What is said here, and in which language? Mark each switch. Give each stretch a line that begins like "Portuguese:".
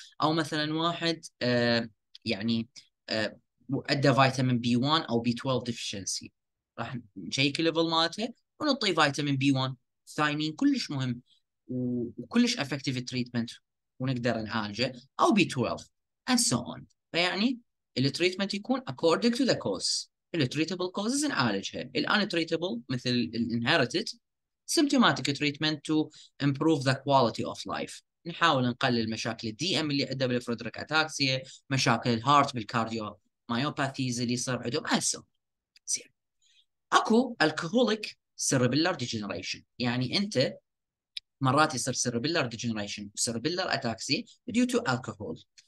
Arabic: أو مثلا واحد يعني عنده فيتامين B1 أو B12 deficiency، راح نشيك الليفل مالته ونعطيه فيتامين B1. ثايمين كلش مهم وكلش
English: effective treatment
Arabic: ونقدر نعالجه، أو B12
English: and so on. فيعني ال treatment يكون according to the cause. ال treatable causes
Arabic: نعالجها،
English: ال untreatable مثل ال inherited symptomatic treatment to improve the quality of life.
Arabic: نحاول نقلل مشاكل الدي ام اللي عنده بالفريدريك اتاكسيا، مشاكل الهارت بالكارديو مايوباثيز اللي صار عندهم
English: and so on.
Arabic: اكو
English: alcoholic cerebellar degeneration،
Arabic: يعني انت مرات يصير سيربيلر ديجنريشن وسيربيلر اتاكسي ديو تو الكحول.